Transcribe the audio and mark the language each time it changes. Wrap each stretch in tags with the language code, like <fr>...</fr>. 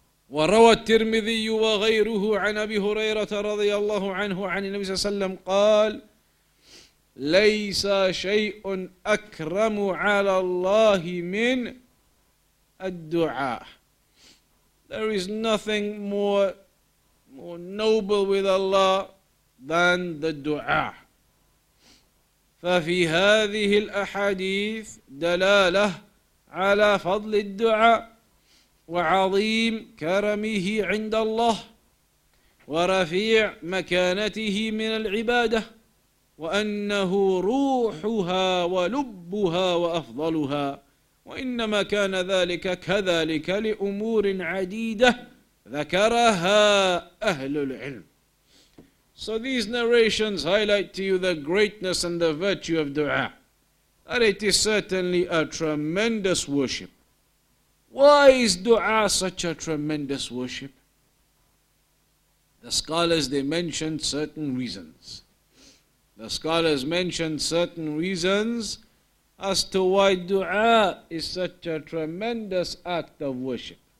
<ar>وروى الترمذي وغيره عن أبي هريرة رضي الله عنه عن النبي صلى الله عليه وسلم قال ليس شيء أكرم على الله من الدعاء.</ar> <en>There is nothing more noble with Allah than the دعاء.</en> <ar>ففي هذه الأحاديث دلالة على فضل الدعاء وعظيم كرمه عند الله ورفيع مكانته من العبادة وأنه روحها ولبها وأفضلها وإنما كان ذلك كذلك لأمور عديدة ذكرها أهل العلم.</ar> <en>So these narrations highlight to you the greatness and the virtue of dua. And it is certainly a tremendous worship. Why is dua such a tremendous worship? The scholars, they mentioned certain reasons. The scholars mentioned certain reasons as to why dua is such a tremendous act of worship.</en>